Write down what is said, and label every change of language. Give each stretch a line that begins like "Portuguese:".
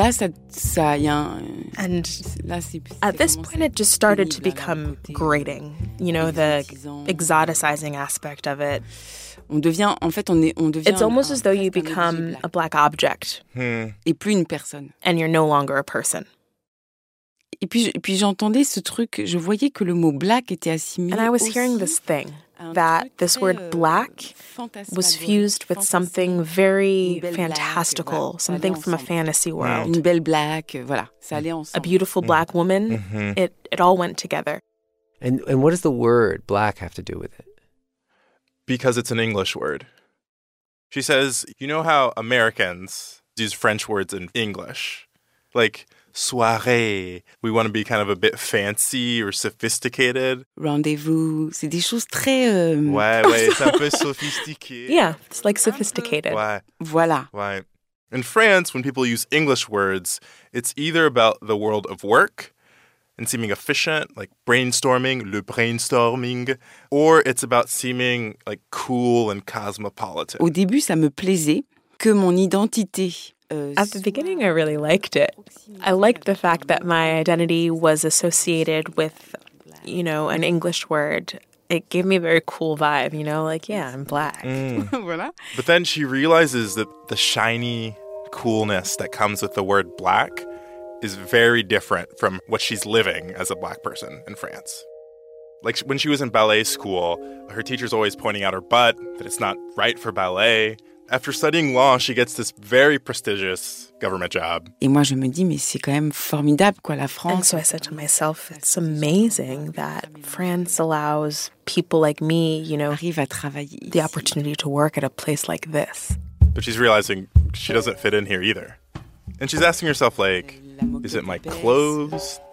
English: at this point, it just started to become grating. You know, the exoticizing aspect of it. It's almost as though you become a black object. Hmm. And you're no longer a person.
French: Et puis j'entendais ce truc, je voyais que le mot black était assimilé.
English: And I was hearing this thing, that this word black was fused with something very fantastical, something from a fantasy world.
French: Une belle black, voilà, ça allait ensemble.
English: A beautiful black woman, mm-hmm. it all went together. And what does the word black have to do with it? Because it's an English word. She says, you know how Americans use French words in English? Like, soirée. We want to be kind of a bit fancy or sophisticated.
French: Rendez-vous. C'est des choses très... Ouais, c'est un peu sophistiqué.
English: Yeah, it's like sophisticated.
French: Ouais. Voilà. Ouais.
English: In France, when people use English words, it's either about the world of work and seeming efficient, like brainstorming, le brainstorming, or it's about seeming like cool and cosmopolitan.
French: Au début, ça me plaisait que mon identité...
English: At the beginning, I really liked it. I liked the fact that my identity was associated with, you know, an English word. It gave me a very cool vibe, you know, like, yeah, I'm black. Mm.
French: Voilà.
English: But then she realizes that the shiny coolness that comes with the word black is very different from what she's living as a black person in France. Like, when she was in ballet school, her teacher's always pointing out her butt, that it's not right for ballet. After studying law, she gets this very prestigious government job.
French: Et moi, je me dis, mais c'est quand même formidable, quoi, la France.
English: And so I said to myself, it's amazing that France allows people like me, you know,
French: arrive à travailler
English: the opportunity to work at a place like this. But she's realizing she doesn't fit in here either. And she's asking herself, like, is it my clothes?